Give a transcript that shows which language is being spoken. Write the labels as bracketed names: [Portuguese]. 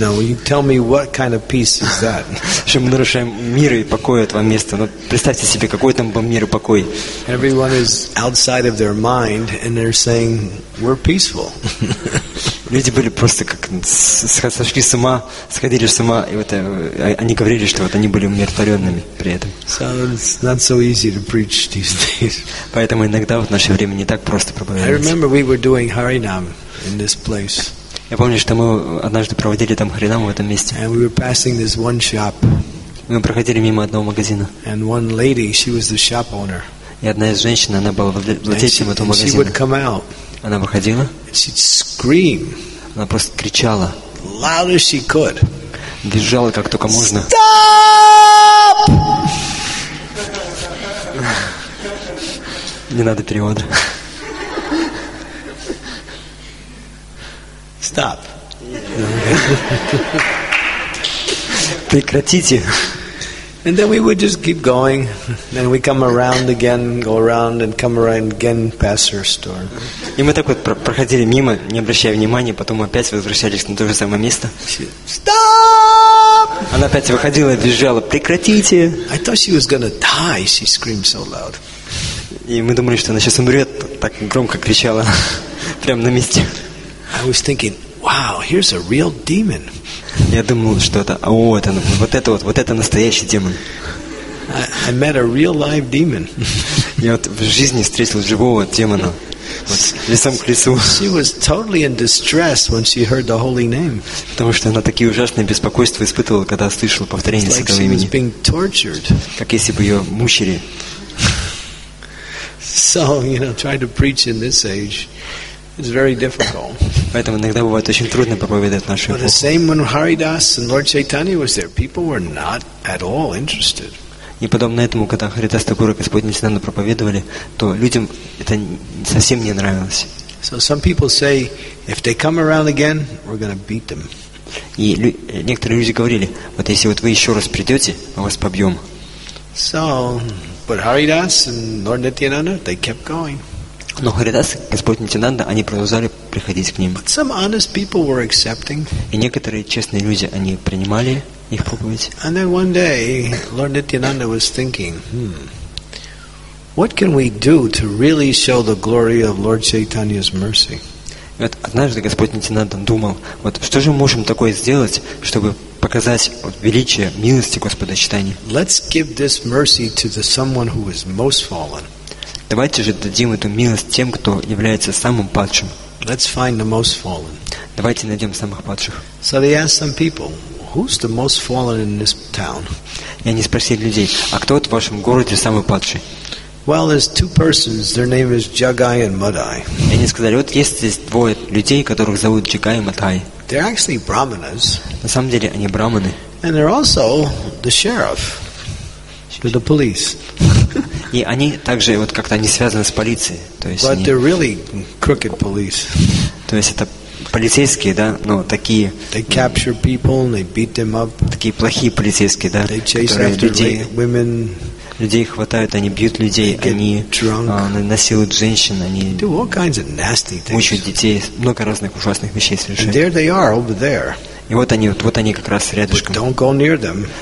[English] Now you tell me what kind of peace is that? [Russian] Что мы нарушаем мир и покой этого места. Ну, представьте себе, какой там был мир и покой. [English] Everyone is outside of their mind and they're saying we're peaceful. [Russian] Люди были просто как сошли с ума, сходили с ума, и вот они говорили, что вот они были умиротворенными при этом. [English] So it's not so easy to preach these days. [Russian] Поэтому иногда в наше время не так просто проповедовать. [English] I remember we were doing Harinam in this place. [Russian] Я помню, что мы однажды проводили там Харинам в этом месте. [English] And we were passing this one shop. [Russian] Мы проходили мимо одного магазина. [English] And one lady, she was the shop owner. [Russian] И одна из женщин, она была владельцем этого магазина. [English] She would come out. [Russian] Она выходила. [English] She'd scream. [Russian] Она просто кричала. [English] Loud as she could. [Russian] Визжала как только можно. [English] Stop! [Russian] Не надо перевода. [English] Stop. [Russian] Прекратите. [English] And then we would just keep going. Then we come around again, go around and come around again past her store. [Russian] И мы так вот проходили мимо, не обращая внимания, потом опять возвращались на то же самое место. [English] Stop! [Russian] Она опять выходила и визжала: «Прекратите!» [English] I thought she was gonna die. She screamed so loud. [Russian] И мы думали, что она сейчас умрет, так громко кричала прямо на месте. [English] I was thinking, wow, here's a real demon. [Russian] Я думал, что это, о, это, вот это вот, вот это настоящий демон. [English] I met a real live demon. [Russian] Я вот в жизни встретил живого демона. Вот, лицом к лицу. [English] She was totally in distress when she heard the holy name. [Russian] Потому что она такие ужасные беспокойства испытывала, когда слышала повторение святого имени. [English] Like she was being tortured. [Russian] Как если бы ее мучили. [English] So, you know, trying to preach in this age is very difficult. [Russian] Поэтому иногда бывает очень трудно проповедовать в нашей эпохе. [English] But the same when Haridas and Lord Chaitanya was there, people were not at all interested. [Russian] И подобно этому, когда Харидас Тхакура и Господь Нитьянанда проповедовали, то людям это совсем не нравилось. [English] So some people say, if they come around again, we're going to beat them. [Russian] И некоторые люди говорили, вот если вот вы еще раз придете, мы вас побьем. [English] So, but Haridas and Lord Nityananda, they kept going. [Russian] Но Харидас, Господь Нитьянанда, они продолжали приходить к ним. [English] But some honest people were accepting. [Russian] И некоторые честные люди, они принимали их проповедь. [English] And then one day, Lord Nityananda was thinking, what can we do to really show the glory of Lord Chaitanya's mercy? [Russian] Вот однажды Господь Нитьянанда думал, вот что же мы можем такое сделать, чтобы показать величие милости Господа Чайтаньи. [English] Let's give this mercy to the someone who is most fallen. [Russian] Давайте же дадим эту милость тем, кто является самым падшим. [English] Let's find the most fallen. [Russian] Давайте найдем самых падших. [English] So they asked some people, who's the most fallen in this town? [Russian] И они спросили людей, а кто вот в вашем городе самый падший? [English] Well, there's two persons. Their name is Jagai and Madai. [Russian] И они сказали, вот есть здесь двое людей, которых зовут Джагай и Мадай. [English] They're actually brahmanas. [Russian] На самом деле они брахманы. [English] And they're also the sheriff. They're the police. [Russian] И они также вот как-то они связаны с полицией, то есть. [English] But they're really crooked police. [Russian] То есть это полицейские, да, но такие. [English] They capture people and they beat them up. [Russian] Такие плохие полицейские, да, которые людей. [English] Women. [Russian] Людей хватают, они бьют людей, они насилуют женщин, они мучают детей, много разных ужасных вещей совершают. И вот они как раз рядышком. [English] Don't go near them.